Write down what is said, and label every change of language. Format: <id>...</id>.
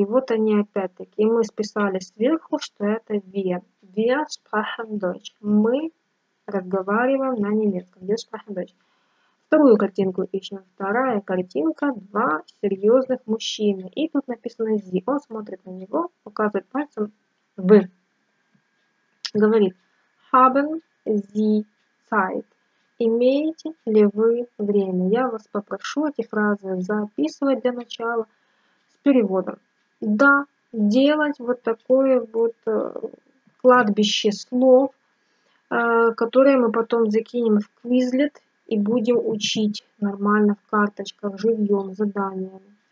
<ru>И вот они опять-таки. Мы списали сверху, что это ве.</ru> <de>Wir sprechen Deutsch.</de> <ru>Мы разговариваем на немецком.</ru> <de>Wir sprechen Deutsch.</de> <ru>Вторую картинку ищем. Вторая картинка. Два серьезных мужчины. И тут написано «Sie». Он смотрит на него, показывает пальцем «Вы». Говорит</ru> <de>«Haben Sie Zeit?»</de> <ru>«Имеете ли вы время?» Я вас попрошу эти фразы записывать для начала с переводом. Да, делать вот такое вот кладбище слов, которые мы потом закинем в Quizlet и будем учить нормально в карточках, живьем, заданиями.</ru>